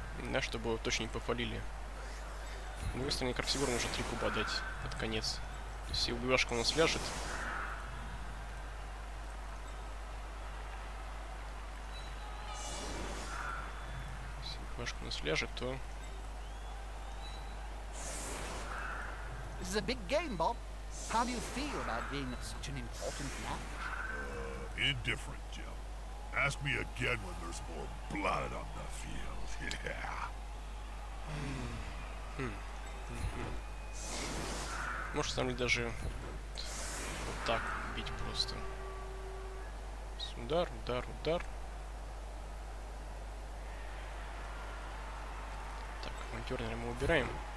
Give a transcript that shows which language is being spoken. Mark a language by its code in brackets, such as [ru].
[ru] Да, чтобы его точно не пофалили. С другой стороны, Крафтигор нужно 3 куба дать под конец. То есть, если убивашка у нас ляжет. Если убивашка у нас ляжет, то. [en] This is a big game, Bob. How do you feel about being at such an important match? Indifferent, Jim. Ask me again when there's more blood on the field. [ru] Может, там ли даже вот так бить просто. Удар, удар, удар. Так, монтёрнера мы убираем.